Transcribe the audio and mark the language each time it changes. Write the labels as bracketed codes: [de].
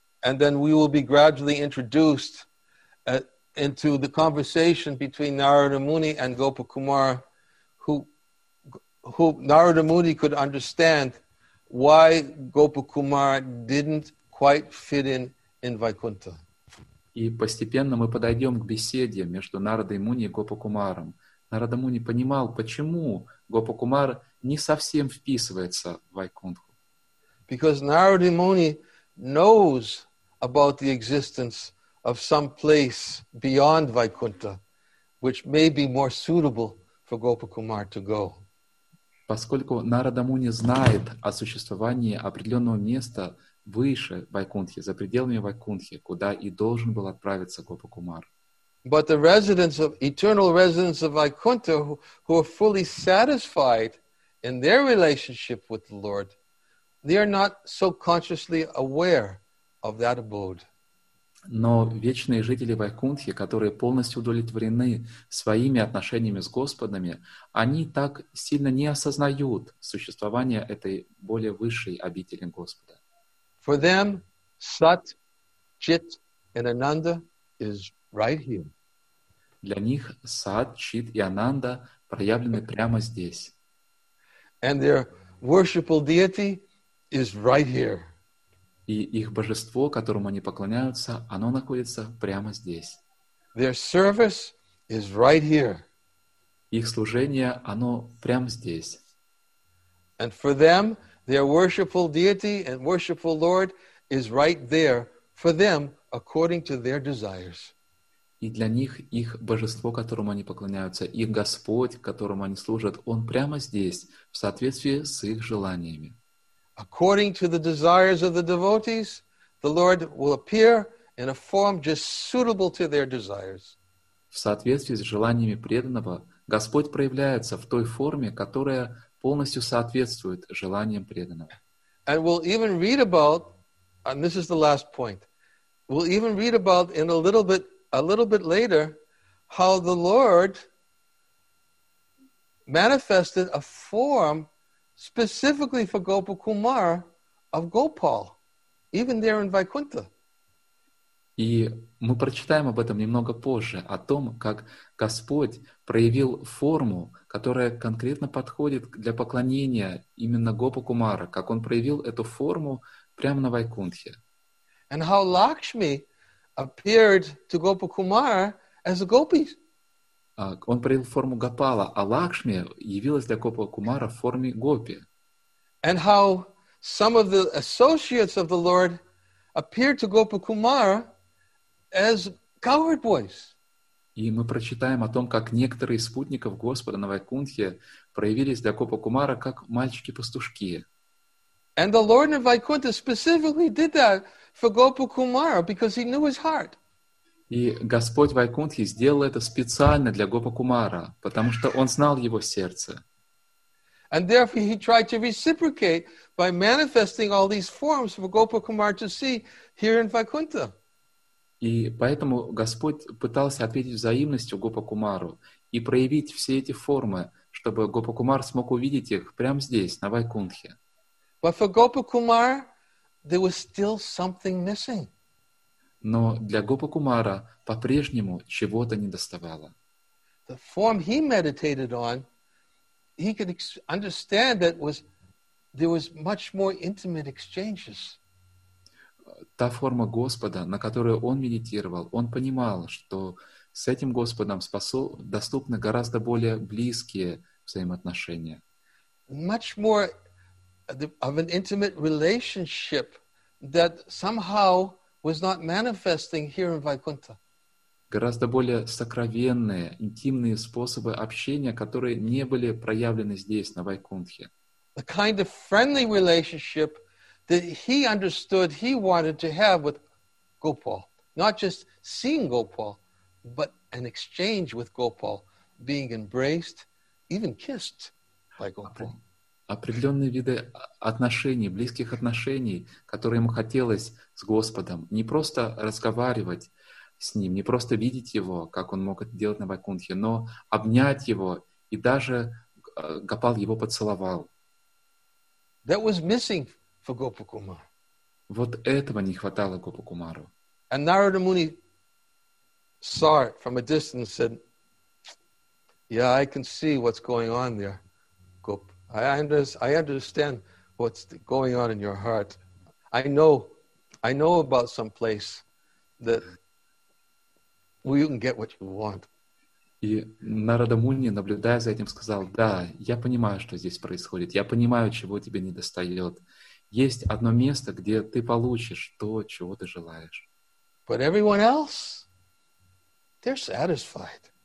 [en] And then we will be gradually introduced into the conversation between Narada Muni and Gopakumara, who Narada Muni could understand why Gopakumara didn't quite fit in Vaikuntha. [ru] И постепенно мы подойдем к беседе между Нарадой Муни и Гопакумаром. Нарада Муни понимал, почему Гопакумар не совсем вписывается в Вайкунтху. [en] Because Narada Muni knows about the existence of some place beyond Vaikuntha, which may be more suitable for Gopakumar to go. [ru] Поскольку Нарада Муни знает о существовании определенного места выше Вайкунтхи, за пределами Вайкунтхи, куда и должен был отправиться Гопакумар. [en] But the residents of eternal residents of Vaikuntha who are fully satisfied in their relationship with the Lord, they are not so consciously aware of that abode. [ru] Но вечные жители Вайкунтхи, которые полностью удовлетворены своими отношениями с Господами, они так сильно не осознают существование этой более высшей обители Господа. [en] For them, Sat, Chit, and Ananda is right here. [ru] Для них Сат, Чит и Ананда проявлены прямо здесь. [en] And their worshipful deity is right here. [ru] И их божество, которому они поклоняются, оно находится прямо здесь. [en] Their service is right here. [ru] Их служение, оно прямо здесь. [en] And for them, their worshipful deity and worshipful Lord is right there for them according to their desires. [ru] И для них их божество, которому они поклоняются, их Господь, которому они служат, он прямо здесь, в соответствии с их желаниями. [en] According to the desires of the devotees, the Lord will appear in a form just suitable to their desires. [ru] В соответствии с желаниями преданного, Господь проявляется в той форме, которая полностью соответствует желаниям преданного. [en] And we'll even read about, and this is the last point, we'll even read about in a little bit later, how the Lord manifested a form specifically for Gopakumar of Gopal, even there in Vaikuntha. [ru] И мы прочитаем об этом немного позже, о том, как Господь проявил форму, которая конкретно подходит для поклонения именно Гопакумара, как Он проявил эту форму прямо на Вайкунтхе. [en] And how Lakshmi appeared to Gopakumara as a gopi. [ru] Он проявил форму Гопала, а Лакшми явилась для Гопакумара в форме гопи. [en] And how some of the associates of the Lord appeared to Gopakumara as cowherd boys. [ru] И мы прочитаем о том, как некоторые спутников Господа на Вайкунтхе проявились для Гопакумара как мальчики-пастушки. [en] And the Lord in Vaikuntha specifically did that for Gopakumara because he knew his heart. [ru] И Господь Вайкунтхи сделал это специально для Гопакумара, потому что он знал его сердце. [en] And therefore he tried to reciprocate by manifesting all these forms for Gopakumara to see here in Vaikuntha. [ru] И поэтому Господь пытался ответить взаимностью Гопакумару и проявить все эти формы, чтобы Гопакумар смог увидеть их прямо здесь, на Вайкунтхе. [en] But for Gopakumara, there was still something missing. [ru] Но для Гопакумара по-прежнему чего-то недоставало. [en] The form he meditated on, he could understand that there was much more intimate exchanges. [ru] Та форма Господа, на которую он медитировал, он понимал, что с этим Господом доступны гораздо более близкие взаимоотношения. [en] Much more of an intimate relationship that somehow was not manifesting here in Vaikuntha. [ru] Гораздо более сокровенные, интимные способы общения, которые не были проявлены здесь, на Вайкунтхе. [en] The kind of friendly relationship that he understood he wanted to have with Gopal. Not just seeing Gopal, but an exchange with Gopal, being embraced, even kissed by Gopal. [ru] Определенные виды отношений, близких отношений, которые ему хотелось с Господом. Не просто разговаривать с Ним, не просто видеть Его, как Он мог это делать на Вайкунтхе, но обнять Его, и даже Гопал Его поцеловал. [en] That was missing for Gopakumar. [ru] Вот этого не хватало Гопакумару. [en] And Narada Muni saw it from a distance and said, yeah, I can see what's going on there, Gopakumar. I understand what's going on in your heart. I know about some place that where you can get what you want. [ru] И Нарада Муни, наблюдая за этим, сказал: "Да, я понимаю, что здесь происходит. Я понимаю, чего тебе недостает. Есть одно место, где ты получишь то, чего ты желаешь. [en] But everyone else, they're satisfied.